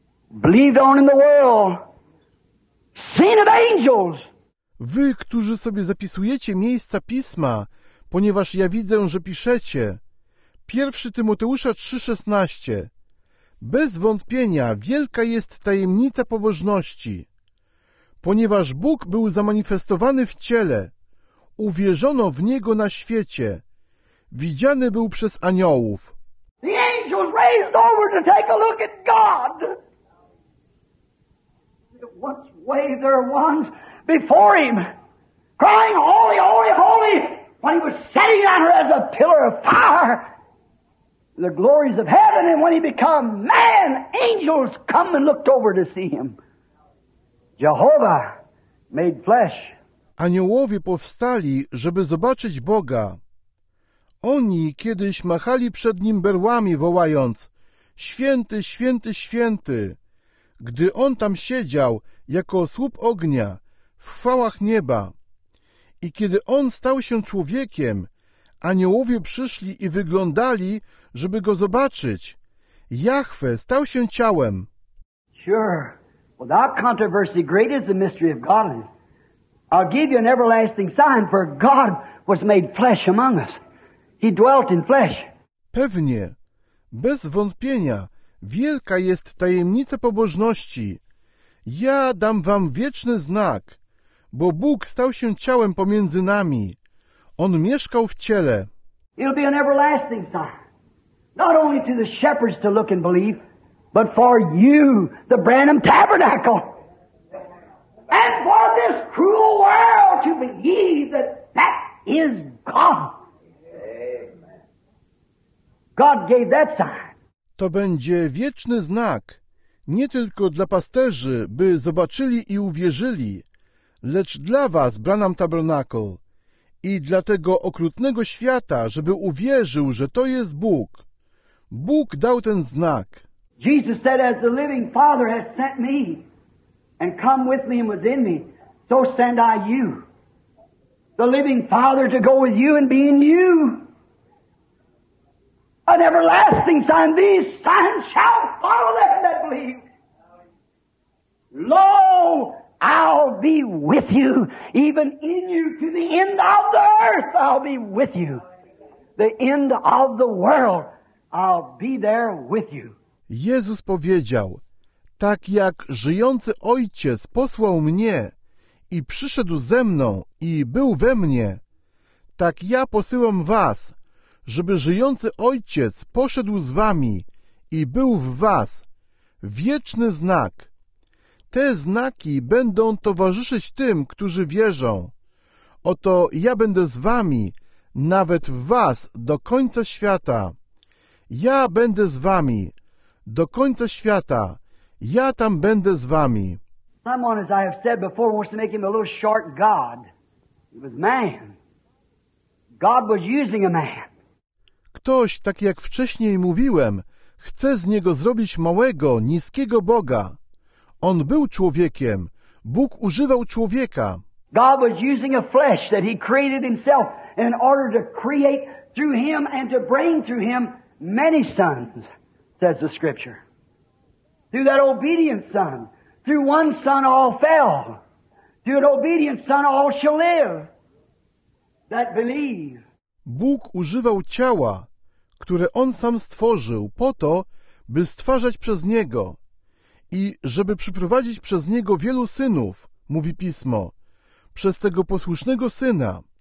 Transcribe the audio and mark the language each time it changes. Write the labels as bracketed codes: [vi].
[en] Believed on in the world, seen of angels. [pl] Wy, którzy sobie zapisujecie miejsca pisma, ponieważ ja widzę, że piszecie. 1 Tymoteusza 3:16. Bez wątpienia wielka jest tajemnica pobożności. Ponieważ Bóg był zamanifestowany w ciele, uwierzono w Niego na świecie. Widziany był przez aniołów. [en] The angels raised over to take a look at God. once wave their wands before him, crying, "Holy, holy, holy," when he was setting on her as a pillar of fire. The glories of heaven, and when he became man, angels come and looked over to see him. Jehovah made flesh. [pl] Aniołowie powstali, żeby zobaczyć Boga. Oni kiedyś machali przed nim berłami, wołając: "Święty, święty, święty!" Gdy on tam siedział jako słup ognia w chwałach nieba. I kiedy on stał się człowiekiem, aniołowie przyszli i wyglądali, żeby go zobaczyć. Jahwe stał się ciałem. [en] Sure. Without controversy, great is the mystery of godliness. I'll give you an everlasting sign, for God was made flesh among us. He dwelt in flesh. [pl] Pewnie, bez wątpienia, wielka jest tajemnica pobożności. Ja dam wam wieczny znak, bo Bóg stał się ciałem pomiędzy nami. On mieszkał w ciele. [en] It'll be an everlasting sign, not only to the shepherds to look and believe, but for you, the Branham Tabernacle, and for this cruel world to believe that that is God. God gave that sign. [pl] To będzie wieczny znak, nie tylko dla pasterzy, by zobaczyli i uwierzyli, lecz dla was, Branham Tabernacle, i dla tego okrutnego świata, żeby uwierzył, że to jest Bóg. Bóg dał ten znak. [en] Jesus said, as the living Father has sent me, and come with me and within me, so send I you, the living Father, to go with you and be in you. An everlasting sign, these signs shall follow them that believe. Lo, I'll be with you, even in you, to the end of the earth I'll be with you. The end of the world, I'll be there with you. [pl] Jezus powiedział, tak jak żyjący Ojciec posłał mnie i przyszedł ze mną i był we mnie, tak ja posyłam was, żeby żyjący Ojciec poszedł z wami i był w was. Wieczny znak. Te znaki będą towarzyszyć tym, którzy wierzą. Oto ja będę z wami, nawet w was, do końca świata. Ja będę z wami, do końca świata. Ja tam będę z wami. [en] Someone, as I have said before, wants to make him a little short God. He was man. God was using a man. [pl] Ktoś, tak jak wcześniej mówiłem, chce z niego zrobić małego, niskiego Boga. On był człowiekiem. Bóg używał człowieka. [en] God was using a flesh that he created himself in order to create through him and to bring through him many sons, says the scripture. Through that obedient son, through one son all fell. Through an obedient son all shall live. That believe. [pl] Bóg używał ciała, które on sam stworzył po to, by stwarzać przez niego i żeby przyprowadzić przez niego wielu synów, mówi Pismo, przez tego posłusznego syna.